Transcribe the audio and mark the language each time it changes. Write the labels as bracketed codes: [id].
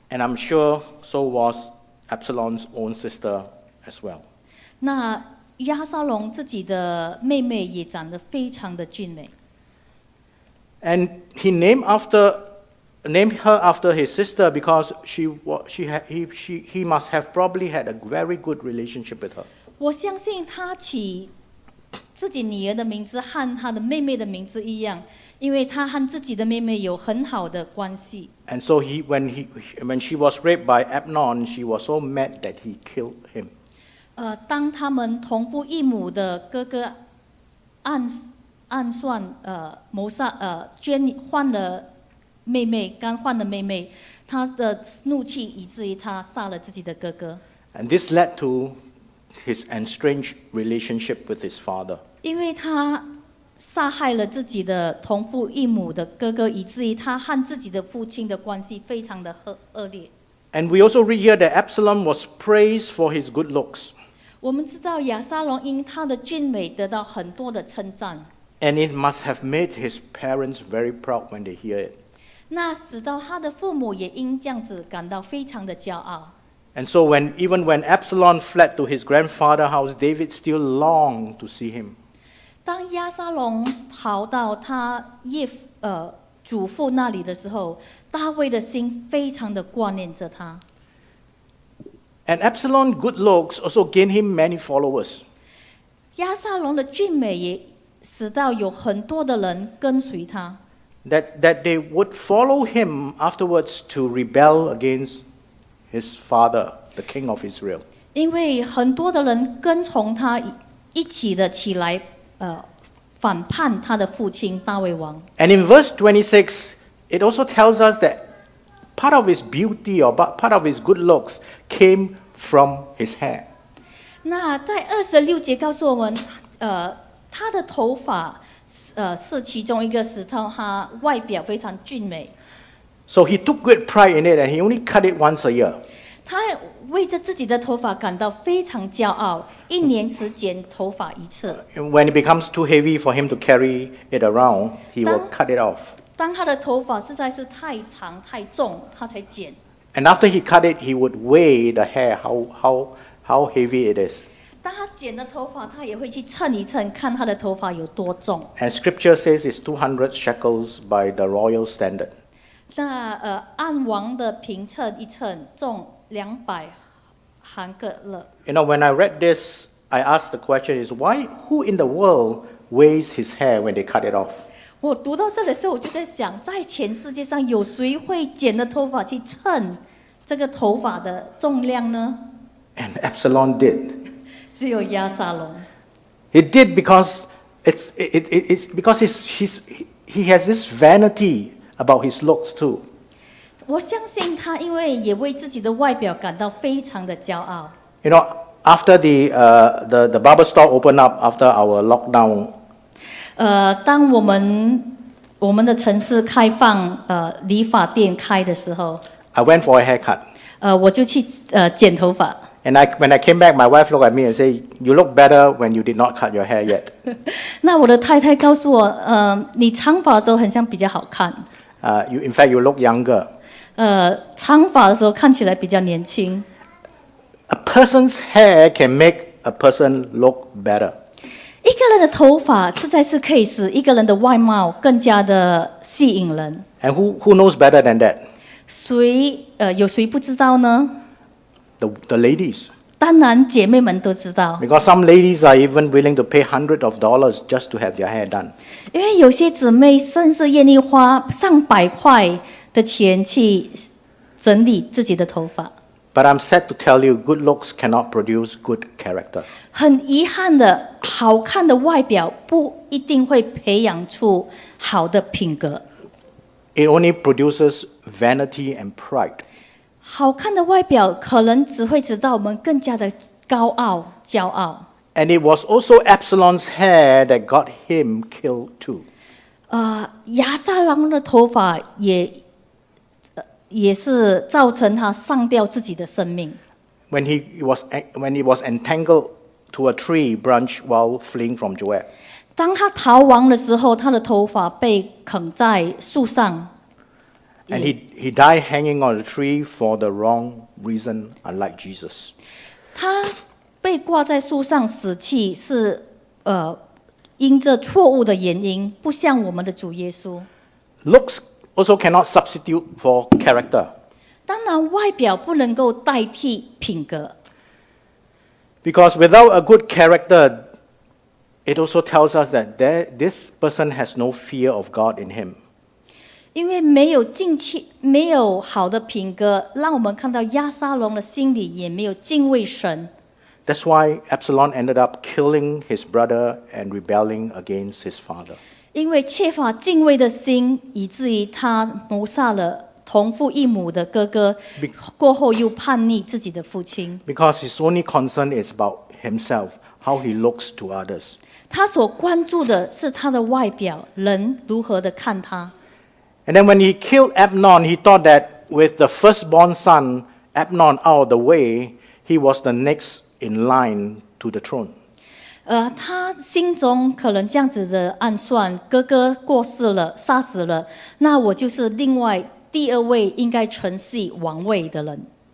[en] And I'm sure so was Absalom's own sister as well. [zh] 那亚撒龙自己的妹妹也长得非常的俊美。 [en] And he named her after his sister because he must have probably had a very good relationship with her. [zh] 我相信他起自己女儿的名字和他的妹妹的名字一样，因为他和自己的妹妹有很好的关系。 [en] And so when she was raped by Amnon, she was so mad that he killed him. [zh] 当他们同父异母的哥哥暗算谋杀Jenny换了妹妹，刚换了妹妹，他的怒气以至于他杀了自己的哥哥。 [en] And this led to his estranged relationship with his father. [zh] 因为他杀害了自己的同父异母的哥哥，以至于他和自己的父亲的关系非常的恶劣。 [en] And we also read here that Absalom was praised for his good looks. [zh] 我们知道亚撒龙因他的俊美得到很多的称赞。 [en] And it must have made his parents very proud when they hear it. [zh] 那使到他的父母也因这样子感到非常的骄傲。 [en] And so even when Absalom fled to his grandfather's house, David still longed to see him. [zh] 当亚撒龙逃到他祖父那里的时候，大卫的心非常的挂念着他。 [en] And Absalom's good looks also gained him many followers. [zh] 亚撒龙的俊美也使到有很多的人跟随他。 [en] That they would follow him afterwards to rebel against his father, the king of Israel. [zh] 因为很多的人跟从他一起的起来反叛他的父亲大卫王。 [en] And in verse 26, it also tells us that part of his beauty or part of his good looks came from his hair. [zh] 那在二十六节告诉我们，他的头发是其中一个石头，他外表非常俊美。 [en] So he took great pride in it, and he only cut it once a year. [zh] 他为着自己的头发感到非常骄傲，一年只剪头发一次。 [en] When it becomes too heavy for him to carry it around, he will cut it off. [zh] 当他的头发实在是太长太重，他才剪。 [en] And after he cut it, he would weigh the hair how heavy it is. [zh] 当他剪的头发，他也会去称一称，看他的头发有多重。 [en] And scripture says it's 200 shekels by the royal standard. [zh] 那按王的评称一称重200韩格勒。 [en] You know, when I read this, I asked the question is why? Who in the world weighs his hair when they cut it off? [zh] 我读到这里的时候，我就在想，在全世界上有谁会剪的头发去称这个头发的重量呢？ [en] And Absalom did. [zh] 只有亚撒龙。 [en] He did because he has this vanity about his looks too. [zh] 我相信他因为也为自己的外表感到非常的骄傲。 [en] You know, after the barber store opened up after our lockdown. [zh] 当我们的城市开放理发店开的时候。 [en] I went for a haircut. [zh] 我就去剪头发。 [en] And when I came back, my wife looked at me and said, "You look better when you did not cut your hair yet." [zh] 那我的太太告诉我，你长发的时候很像比较好看。 [en] You look younger. [zh] 长发的时候看起来比较年轻。 [en] A person's hair can make a person look better. [zh] 一个人的头发实在是可以使一个人的外貌更加的吸引人。 [en] And who knows better than that? [zh] 谁有谁不知道呢？ [en] The ladies. [zh] 当然姐妹们都知道。 [en] Because some ladies are even willing to pay hundreds of dollars just to have their hair done. [zh] 因为有些姊妹甚至愿意花上百块的钱去整理自己的头发。 [en] But I'm sad to tell you, good looks cannot produce good character. [zh] 很遗憾的，好看的外表不一定会培养出好的品格。 [en] It only produces vanity and pride. [zh] 好看的外表可能只会使到我们更加的高傲、骄傲。 [en] And it was also Absalom's hair that got him killed too. [zh] 亚撒龙的头发也是造成他上吊自己的生命。 [en] When he was entangled to a tree branch while fleeing from Joab. [zh] 当他逃亡的时候，他的头发被捆在树上。 [en] And he died hanging on a tree for the wrong reason, unlike Jesus. [zh] 他被挂在树上死去是因着错误的原因，不像我们的主耶稣。 [en] Looks also cannot substitute for character. [zh] 当然，外表不能够代替品格。 [en] Because without a good character, it also tells us that there, this person has no fear of God in him. [zh] 因为没有敬虔，没有好的品格，让我们看到亚撒龙的心里也没有敬畏神。 [en] That's why Absalom ended up killing his brother and rebelling against his father. [zh] 因为缺乏敬畏的心，以至于他谋杀了同父异母的哥哥，过后又叛逆自己的父亲。 [en] Because his only concern is about himself, how he looks to others. [zh] 他所关注的是他的外表，人如何的看他。 [en] And then when he killed Abnon, he thought that with the firstborn son, Abnon, out of the way, he was the next in line to the throne. [zh] 他心中可能这样子的暗算，哥哥过世了，杀死了，那我就是另外第二位应该承袭王位的人。